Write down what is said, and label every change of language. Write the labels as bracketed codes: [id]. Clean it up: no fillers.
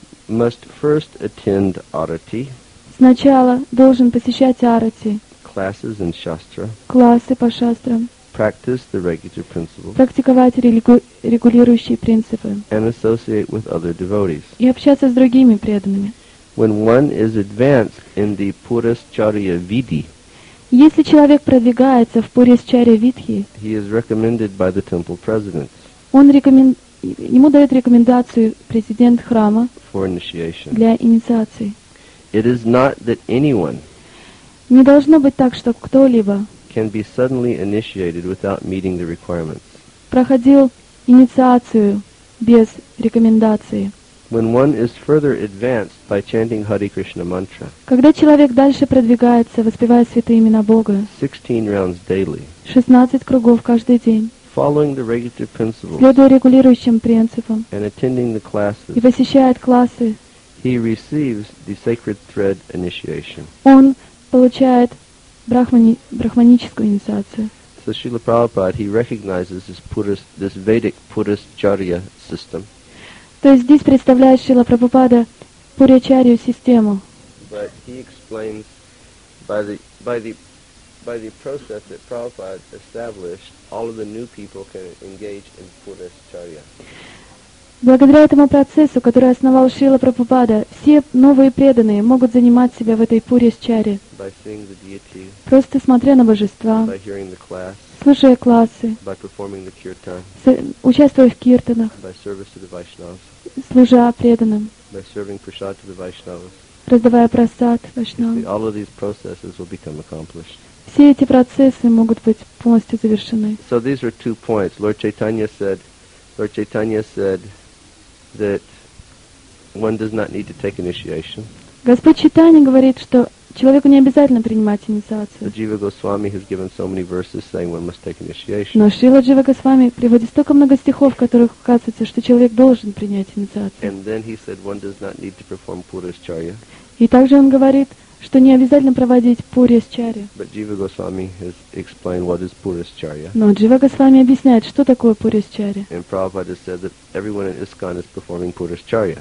[en] Must first attend arati. [ru] Сначала должен посещать арати. [en] Classes in shastra. [ru] Классы по шастрам. [en] Practice the regular principles. [ru] Практиковать регулирующие принципы. [en] And associate with other devotees. [ru] И общаться с другими преданными. [en] When one is advanced in the Purascharya Vidhi, [ru] если человек продвигается в Purascharya Vidhi, [en] he is recommended by the temple president. [ru] Ему дает рекомендацию президент храма [en] for initiation. [ru] Для инициации. [en] It is not that anyone [ru] не должно быть так, что кто-либо [en] can be suddenly initiated without meeting the requirements. [ru] Проходил инициацию без рекомендации. [en] When one is further advanced by chanting Hare Krishna mantra, [ru] когда человек дальше продвигается, воспевая святые имена Бога, [en] 16 rounds daily, [ru] 16 кругов каждый день, [en] following the regulative principles, [ru] следуя регулирующим принципам, [en] and attending the classes, [ru] и посещает классы, [en] he receives the sacred thread initiation. [ru] Он получает брахманическую инициацию. [en] So Srila Prabhupada, he recognizes this Vedic Purascharya system. [ru] То есть здесь представляет Шрила Прабхупада Пурьячарью систему. [en] But he explains by the process that Prabhupada established, all of the new people can engage in Purascharya. [ru] Благодаря этому процессу, который основал Шрила Прабхупада, все новые преданные могут занимать себя в этой Пурьячарье. [en] By seeing the deity. [ru] Просто смотря на божества. [en] By hearing the class. [ru] Слушая классы, [en] by performing the kirtan, [ru] участвуя в киртанах, [en] by service to the Vaishnavas, [ru] служа преданным, [en] by serving prasad to the Vaishnavas, [ru] раздавая прасад вайшнавам, [en] all of these processes will become accomplished. [ru] Все эти процессы могут быть полностью завершены. [en] So these are two points. Lord Chaitanya said that one does not need to take initiation. [ru] Господь Чайтанья говорит, что человеку не обязательно принимать инициацию. [en] Jiva Goswami has given so many verses saying one must take initiation. [ru] Но Шрила Джива Госвами приводит столько много стихов, в которых указывается, что человек должен принять инициацию. [en] And then he said one does not need to perform Purascharya. [ru] И также он говорит, что не обязательно проводить Purascharya. [en] But Jiva Goswami has explained what is Purascharya. [ru] Но Джива Госвами объясняет, что такое Purascharya. [en] And Prabhupada said that everyone in ISKCON is performing Purascharya.